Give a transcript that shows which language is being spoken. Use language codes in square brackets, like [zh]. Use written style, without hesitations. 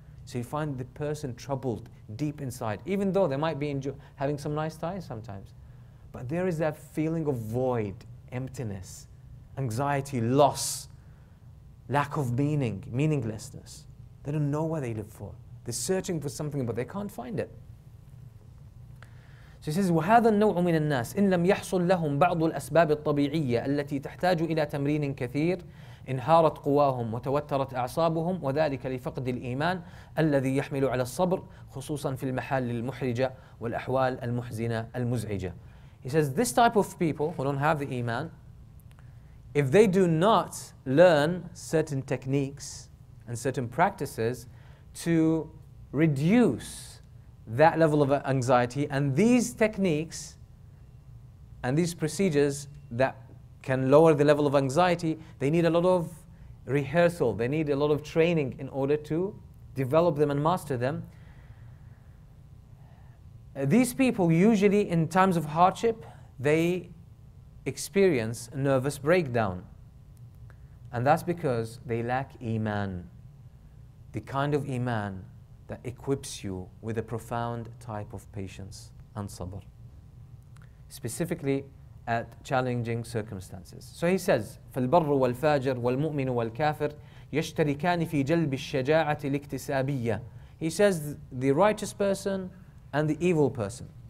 [en] So you find the person troubled deep inside, even though they might be having some nice times sometimes. But there is that feeling of void, emptiness, anxiety, loss, lack of meaning, meaninglessness. They don't know what they live for. They're searching for something, but they can't find it. So he says, [ar] وَهَذَا النَّوْعُ مِنَ النَّاسِ إِنْ لَمْ يَحْصُلْ لَهُمْ بَعْضُ الْأَسْبَابِ الطَّبِيعِيَّةِ الَّتِي تَحْتَاجُ إِلَى تَمْرِينٍ كَثِيرٍ انهارت قواهم وتوترت أعصابهم وذلك لفقد الإيمان الذي يحمل على الصبر خصوصا في المحال المحرجة والأحوال المحزنة المزعجة. [en] He says this type of people who don't have the iman, if they do not learn certain techniques and certain practices to reduce that level of anxiety, and these techniques and these procedures that can lower the level of anxiety, they need a lot of rehearsal, they need a lot of training in order to develop them and master them. These people usually in times of hardship, they experience a nervous breakdown. And that's because they lack iman, the kind of iman that equips you with a profound type of patience and sabr, specifically at challenging circumstances. So he says, [ar] فالبر والفاجر والمؤمن والكافر يشتركان في جلب الشجاعة الاكتسابية. [en] He says, the righteous person and the evil person.